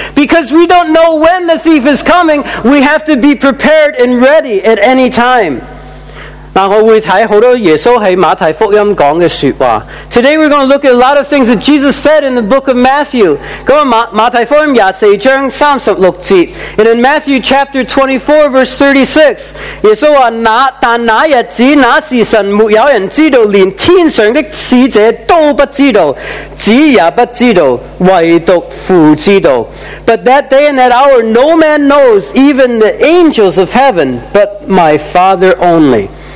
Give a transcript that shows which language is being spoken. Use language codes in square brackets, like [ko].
[en] Because we don't know when the thief is coming, we have to be prepared and ready at any time. [zh] 但我会看很多耶稣在马太福音讲的说话. [en] Today we're going to look at a lot of things that Jesus said in the book of Matthew. [zh] 马太福音24章36节. [en] And in Matthew chapter 24 verse 36, [zh] 耶稣说,但那日子那时神没有人知道,连天上的使者都不知道,子也不知道,唯独父知道. [en] But that day and that hour no man knows, even the angels of heaven, but my Father only.